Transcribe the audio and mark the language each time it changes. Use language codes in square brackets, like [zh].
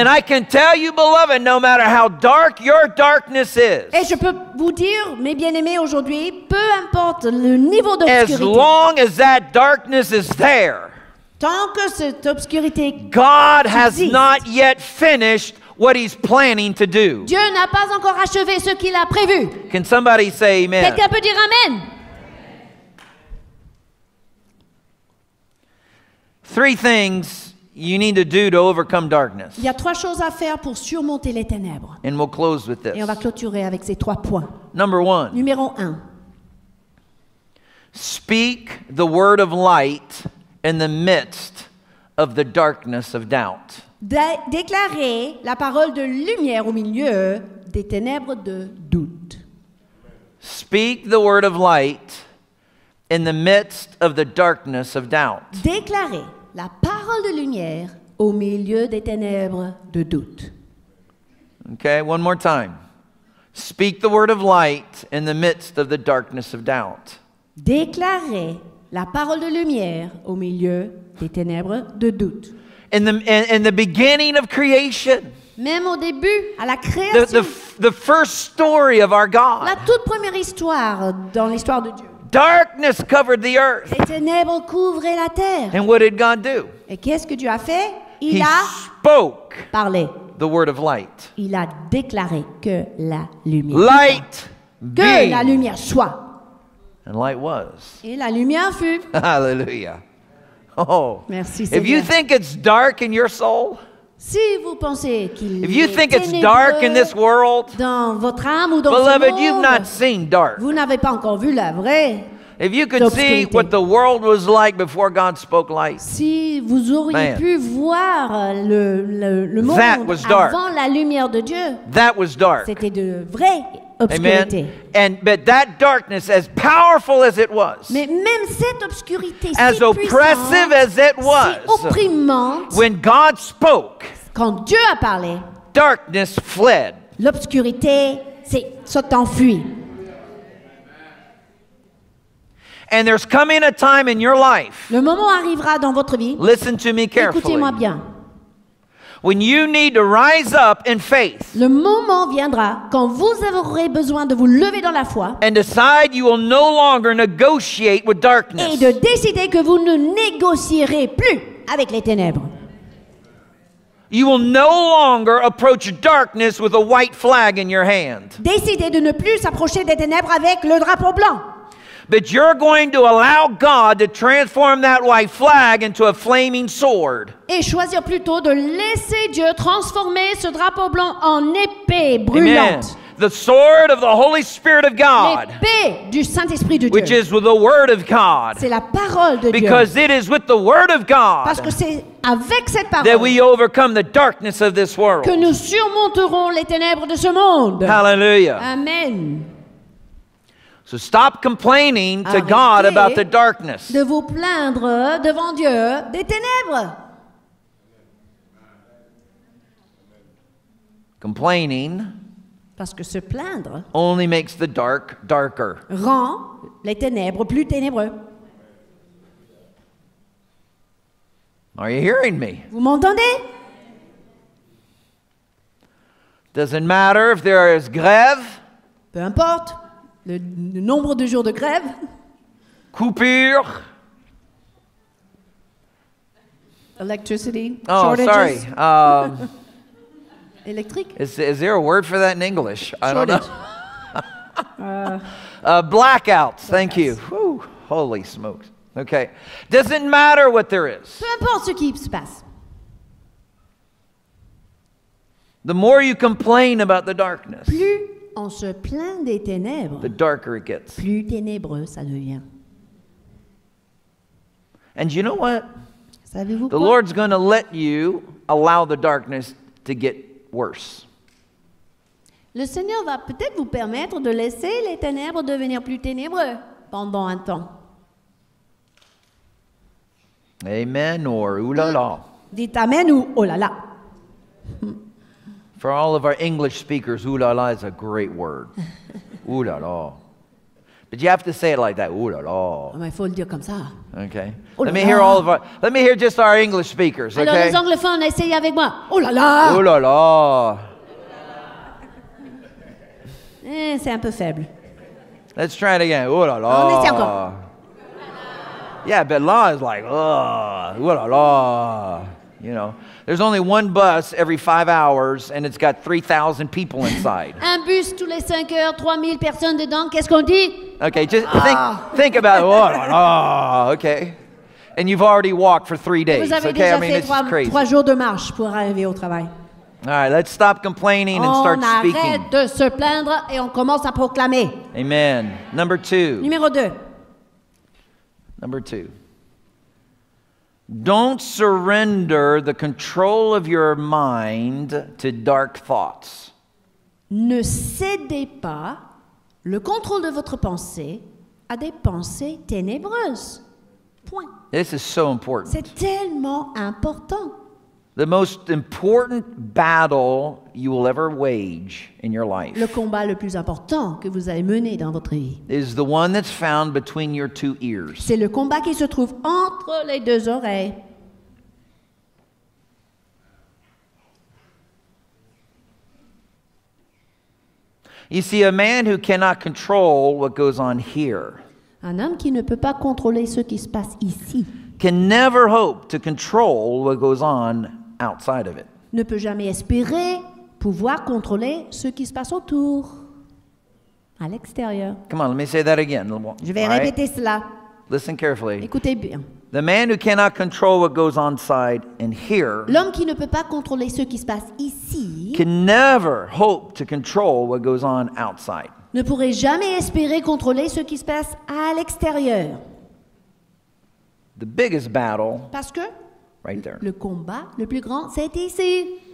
[en] And I can tell you, beloved, no matter how dark your darkness is. [fr] Et je peux vous dire, mes bien-aimés, aujourd'hui, peu importe le niveau d'obscurité. [en] As long as that darkness is there. [fr] Tant que cette obscurité existe. [en] God has not yet finished what he's planning to do. [fr] Dieu n'a pas encore achevé ce qu'il a prévu. [en] Can somebody say amen? [fr] Quelqu'un peut dire amen? [en] Three things you need to do to overcome darkness. [fr] Il y a trois choses à faire pour surmonter les ténèbres. [en] And we'll close with this. [fr] Et on va clôturer avec ces trois points. [en] Number one. [fr] Numéro un. [en] Speak the word of light in the midst of the darkness of doubt. [fr] Déclarer la parole de lumière au milieu des ténèbres de doute. [en] Speak the word of light in the midst of the darkness of doubt. [fr] Déclarer la parole de lumière au milieu des ténèbres de doute. [en] Okay, one more time. Speak the word of light in the midst of the darkness of doubt. [fr] Déclarer la parole de lumière au milieu des ténèbres de doute. [en] In the beginning of creation, [fr] même au début, à la création, [en] the first story of our God, [fr] la toute première histoire dans l'histoire de Dieu. [en] Darkness covered the earth. [fr] Les ténèbres couvraient la terre. [en] And what did God do? [fr] Et qu'est-ce que Dieu a fait? Il [en] He [fr] a [en] spoke [fr] parlé. [en] The word of light. [fr] Il a déclaré que la lumière. [en] Light [fr] que [en] be. [fr] La lumière soit. [en] And light was. [fr] Et la lumière fut. [en] Hallelujah. Oh, [fr] merci, [en] if you think it's dark in your soul, [fr] si vous pensez qu'il [en] if you think it's dark in this world, [fr] dans votre âme ou dans [en] beloved, [fr] ce monde, [en] you've not seen dark. [fr] Vous n'avez pas encore vu la vraie [en] If you could see what the world was like before God spoke light. [fr] Si vous auriez man, pu voir le monde [en] that was dark. [fr] Avant la lumière de Dieu. [en] That was dark. [fr] C'était de vrai. Amen. [en] And but that darkness, as powerful as it was, [fr] mais même cette obscurité, [en] as [fr] si [en] oppressive as it was, [fr] si opprimante, [en] when God spoke, [fr] quand Dieu a parlé, [en] darkness fled. [fr] L'obscurité s'est enfuie. [en] And there's coming a time in your life. [fr] Le moment arrivera dans votre vie. [en] Listen to me carefully. [fr] Écoutez-moi bien. [en] When you need to rise up in faith. [fr] Le moment viendra quand vous aurez besoin de vous lever dans la foi. [en] And decide you will no longer negotiate with darkness. [fr] Et de décider que vous ne négocierez plus avec les ténèbres. [en] You will no longer approach darkness with a white flag in your hand. [fr] Décidez de ne plus s'approcher des ténèbres avec le drapeau blanc. [en] But you're going to allow God to transform that white flag into a flaming sword. [fr] Et choisir plutôt de laisser Dieu transformer ce drapeau blanc en épée brûlante. [en] Amen. The sword of the Holy Spirit of God. [fr] L'épée du Saint-Esprit de Dieu. [en] Which is with the word of God. [fr] C'est la parole de Dieu. [en] Because it is with the word of God. [fr] Parce que c'est avec cette parole. [en] That we overcome the darkness of this world. [fr] Que nous surmonterons les ténèbres de ce monde. [en] Hallelujah. Amen. So stop complaining to God about the darkness. [fr] De vous plaindre devant Dieu des ténèbres. [en] Complaining. [fr] Parce que se plaindre. [en] Only makes the dark darker. [fr] Rend les ténèbres plus ténébreux. [en] Are you hearing me? [fr] Vous m'entendez? [en] Doesn't matter if there is grève. [fr] Peu importe. Le nombre de jours de grève. Coupure. [en] Electricity. Oh, shortages. Sorry. [fr] Électrique. [en] Is there a word for that in English? Shortage. I don't know. blackouts. Thank you. Whew, holy smokes. Okay. Doesn't matter what there is. [fr] Peu importe ce qui se passe. [en] The more you complain about the darkness. [fr] Plus on se plaint des ténèbres, [en] the darker it gets. [fr] Plus ténébreux ça devient. [en] And you know what? [fr] Savez-vous [en] the [fr] quoi? [en] Lord's going to let you allow the darkness to get worse. [fr] Le Seigneur va peut-être vous permettre de laisser les ténèbres devenir plus ténébreux pendant un temps. [en] Amen or oulala. [fr] Dites amen ou oulala. [en] For all of our English speakers, ooh la la is a great word. Ooh la la. But you have to say it like that. [fr] Ooh la la. Mais faut le dire comme ça. [en] Okay. Let me hear all of our. Let me hear just our English speakers. Okay. [fr] Alors les anglophones, essayez avec moi. Ooh la la. Ooh la la. C'est un peu faible. [en] Let's try it again. Ooh la la. [fr] On essaie encore. [en] Yeah, but la is like ooh la la. You know. There's only one bus every 5 hours, and it's got 3,000 people inside. [fr] Un bus tous les 5 heures, 3,000 personnes dedans. Qu'est-ce qu'on dit? [en] Okay, just think about it. Oh, okay, and you've already walked for 3 days. [fr] Vous avez [en] okay, [fr] déjà [en] I mean [fr] fait [en] it's just crazy. [fr] 3 jours de marche pour arriver au travail. [en] All right, let's stop complaining [fr] on [en] and start speaking. [fr] On arrête de se plaindre et on commence à proclamer. [en] Amen. Number two. [fr] Numéro deux. [en] Number two. Don't surrender the control of your mind to dark thoughts. [fr] Ne cédez pas le contrôle de votre pensée à des pensées ténébreuses. Point. [en] This is so important. [fr] C'est tellement important. [en] The most important battle you will ever wage in your life. [fr] Le combat le plus important que vous allez mener dans votre vie. [en] Is the one that's found between your two ears. [fr] C'est le combat qui se trouve entre les deux oreilles. [en] You see, a man who cannot control what goes on here. [fr] Un homme qui ne peut pas contrôler ce qui se passe ici. [en] Can never hope to control what goes on outside of it. [fr] Ne peut jamais espérer pouvoir contrôler ce qui se passe autour, à l'extérieur. [en] Come on, let me say that again. [fr] Je vais répéter cela. [en] Listen carefully. [fr] Écoutez bien. [en] The man who cannot control what goes on inside and here. [fr] L'homme qui ne peut pas contrôler ce qui se passe ici. [en] Can never hope to control what goes on outside. [fr] ne pourrez jamais espérer contrôler ce qui se passe à l'extérieur. [en] The biggest battle. [fr] Parce que [en] right there. [fr] Le combat le plus grand, c'est ici.